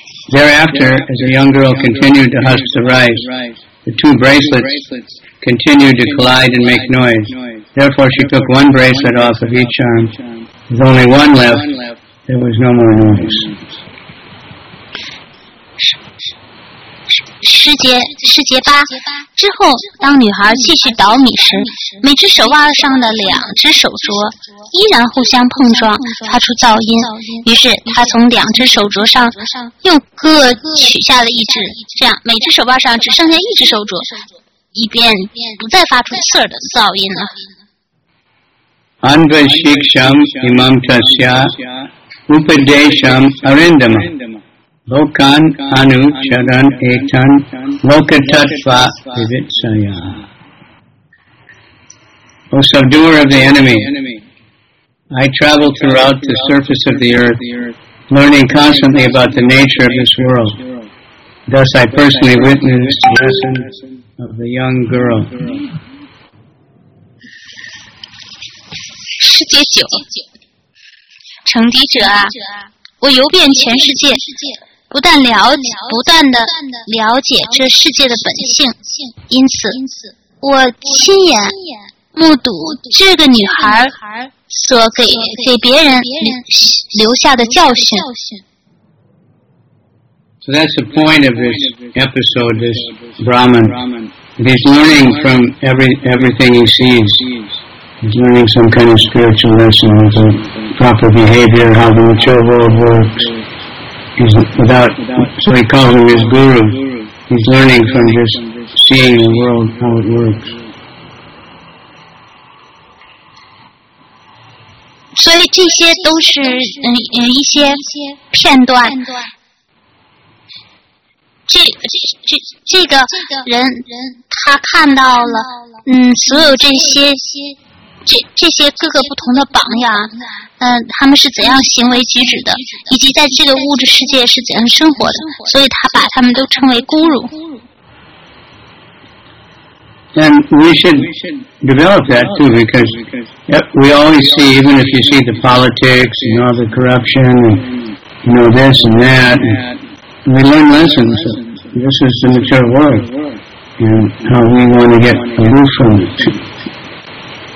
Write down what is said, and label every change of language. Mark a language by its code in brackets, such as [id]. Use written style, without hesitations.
[en] Thereafter, as a young girl continued to husk the rice, the two bracelets continued to collide and make noise. Therefore, she took one bracelet off of each arm. With only one left, there was no more noise. [zh] 十节八。之后，当女孩继续捣米时，每只手腕上的两只手镯依然互相碰撞，发出噪音。于是，她从两只手镯上又各取下了一只，这样每只手腕上只剩下一只手镯，以便不再发出刺耳的噪音了。 [sa] Anvashiksham imam tasya upadesham arindama lokan anu charan etan lokatattva vivitsaya. [en] O subduer of the enemy, I travel throughout the surface of the earth, learning constantly about the nature of this world. Thus I personally witness the lesson of the young girl. [zh] 世界九，成敌者啊，我游遍全世界，不断的了解这世界的本性，因此我亲眼目睹这个女孩所给别人留下的教训。 [en] So that's the point of this episode, this Brahman. He's learning from everything he sees. He's learning some kind of spiritual lesson with the proper behavior, how the mature world works. So he calls him his guru. He's learning from just seeing the world, how it works. [zh] 所以这些都是一些片段。这个人他看到了所有这些各个不同的榜样，他们是怎样行为举止的，以及在这个物质世界是怎样生活的，所以他把他们都称为孤乳。 [en] And we should develop that too, because we always see, even if you see the politics and all the corruption and this and that, and we learn lessons. This is the mature world and how we want to get aloof from it.